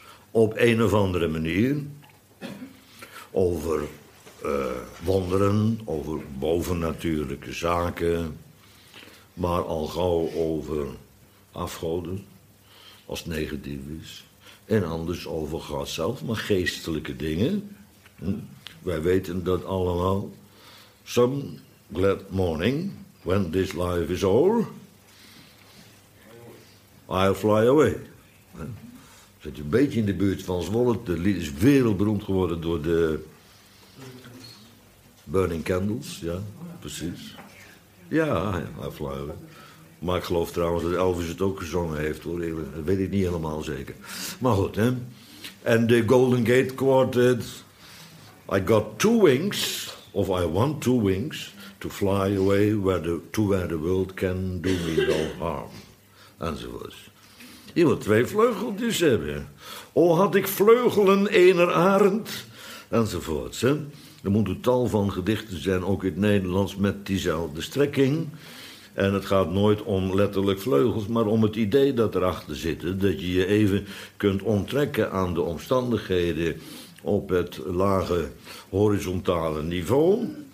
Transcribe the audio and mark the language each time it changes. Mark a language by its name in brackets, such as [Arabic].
[Dutch] Op een of andere manier. Over wonderen, over bovennatuurlijke zaken, maar al gauw over afgoden, als het negatief is. En anders over God zelf, maar geestelijke dingen. Wij weten dat allemaal. [English] Some glad morning, when this life is over, I'll fly away. [Dutch] Zit een beetje in de buurt van Zwolle. De lied is wereldberoemd geworden door de Burning Candles. Ja, precies. Ja, [English] I'll fly away. [Dutch] Maar ik geloof trouwens dat Elvis het ook gezongen heeft, hoor. Dat weet ik niet helemaal zeker. Maar goed, hè. En de Golden Gate Quartet. [English] I got two wings, of I want two wings, to fly away where the world can do me no harm. [Dutch] Enzovoorts. Je moet twee vleugeltjes hebben. Oh, had ik vleugelen, ener arend. Enzovoorts, hè. Er moeten tal van gedichten zijn, ook in het Nederlands, met diezelfde strekking. En het gaat nooit om letterlijk vleugels, maar om het idee dat erachter zit. Dat je je even kunt onttrekken aan de omstandigheden op het lage horizontale niveau.